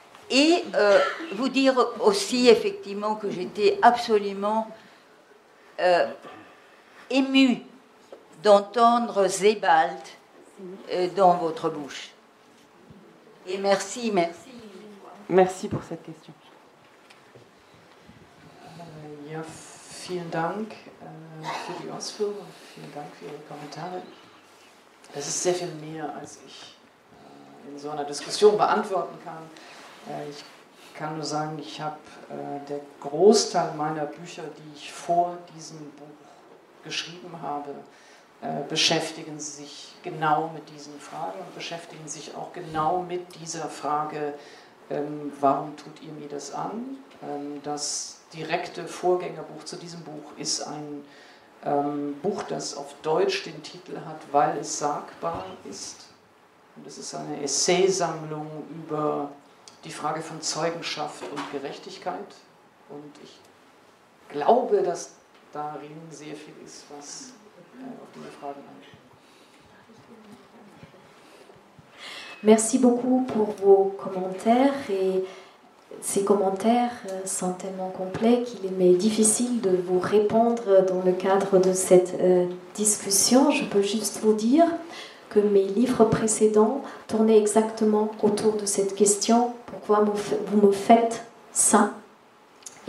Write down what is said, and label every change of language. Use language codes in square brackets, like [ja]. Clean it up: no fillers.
[fr] Et vous dire aussi, effectivement, que j'étais absolument émue d'entendre Sebald dans votre bouche. Et merci, merci. Merci pour cette question. [de] Ja, vielen Dank für die Ausführungen, vielen Dank für Ihre Kommentare. Das ist sehr viel mehr, als ich in so einer Diskussion beantworten kann. Ich kann nur sagen, ich habe der Großteil meiner Bücher, die ich vor diesem Buch geschrieben habe, beschäftigen sich genau mit diesen Fragen und beschäftigen sich auch genau mit dieser Frage, warum tut ihr mir das an? Das direkte Vorgängerbuch zu diesem Buch ist ein Buch, das auf Deutsch den Titel hat, weil es sagbar ist. Und es ist eine Essaysammlung über die Frage von Zeugenschaft und Gerechtigkeit. Und ich glaube, dass darin sehr viel ist, was auf diese Fragen angeht. [fr] Merci beaucoup pour vos commentaires et ces commentaires sont tellement complets qu'il m'est difficile de vous répondre dans le cadre de cette discussion. Je peux juste vous dire que mes livres précédents tournaient exactement autour de cette question « Pourquoi vous me faites ça ?»